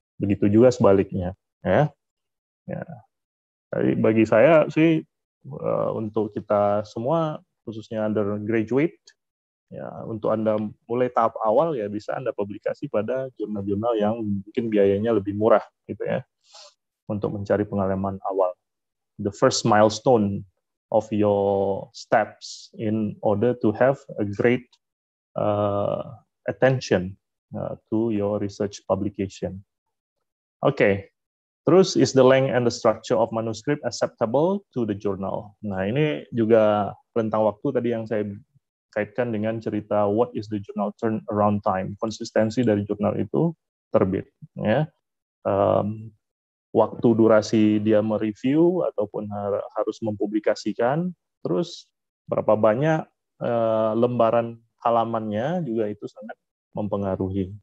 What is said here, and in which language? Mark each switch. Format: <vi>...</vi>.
<id>Begitu juga sebaliknya, ya. Ya. Jadi bagi saya sih untuk kita semua khususnya undergraduate ya, untuk Anda mulai tahap awal ya, bisa Anda publikasi pada jurnal-jurnal yang mungkin biayanya lebih murah gitu ya. Untuk mencari pengalaman awal.</id> <en>The first milestone of your steps in order to have a great attention to your research publication. Okay, terus, is the length and the structure of manuscript acceptable to the journal?</en> <id>Nah, ini juga rentang waktu tadi yang saya kaitkan dengan cerita</id> <en>what is the journal turnaround time,</en> <id>konsistensi dari jurnal itu terbit. Ya. Waktu durasi dia mereview ataupun harus mempublikasikan, terus berapa banyak lembaran halamannya juga itu sangat mempengaruhi.</id>